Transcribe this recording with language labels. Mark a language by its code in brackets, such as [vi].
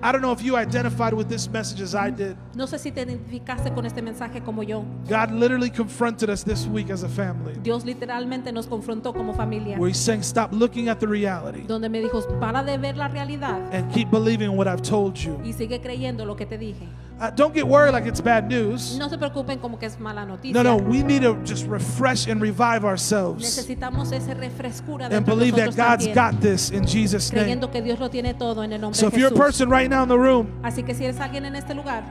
[en] I don't know if you identified with this message as I did. [es] No sé si te identificaste con este mensaje como yo. [en] God literally confronted us this week as a family. [es] Dios literalmente nos confrontó como familia. [en] Where he's saying, stop looking at the reality. [es] Donde me dijo, para de ver la realidad. [en] And keep believing what I've told you. [es] Y sigue creyendo lo que te dije. [en] Don't get worried like it's bad news. [es] No se preocupen como que es mala noticia. [en] No, no, we need to just refresh and revive ourselves. [es] Necesitamos ese refrescura [en] and believe that God's [es] también. [en] Got this in Jesus' name. [es] Creyendo que Dios lo tiene todo en el nombre [en] so [es] de [en] if you're [es] Jesús. [en] A person right now in the room [es] así que si eres alguien en este lugar,